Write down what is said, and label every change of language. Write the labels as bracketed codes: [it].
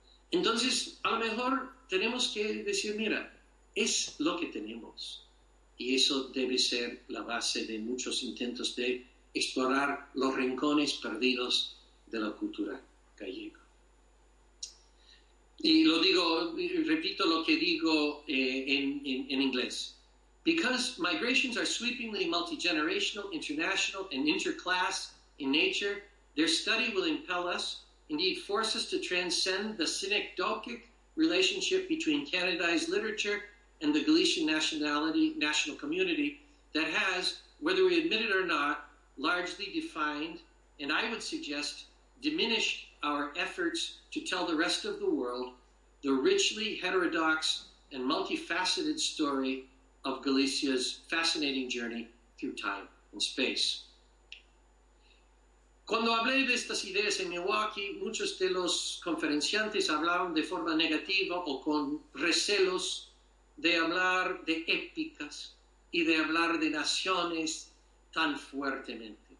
[es] Entonces, a lo mejor tenemos que decir, mira, es lo que tenemos. Y eso debe ser la base de muchos intentos de explorar los rincones perdidos de la cultura gallega. Y lo digo, repito lo que digo en inglés. [en] Because migrations are sweepingly multigenerational, international, and interclass in nature, their study will impel us, indeed force us to transcend the synecdochic relationship between Canadized literature and the Galician national community that has, whether we admit it or not, largely defined, and I would suggest, diminished our efforts to tell the rest of the world the richly heterodox and multifaceted story of Galicia's fascinating journey through time and space. [es] Cuando hablé de estas ideas en Milwaukee, muchos de los conferenciantes hablaron de forma negativa o con recelos de hablar de épicas y de hablar de naciones tan fuertemente.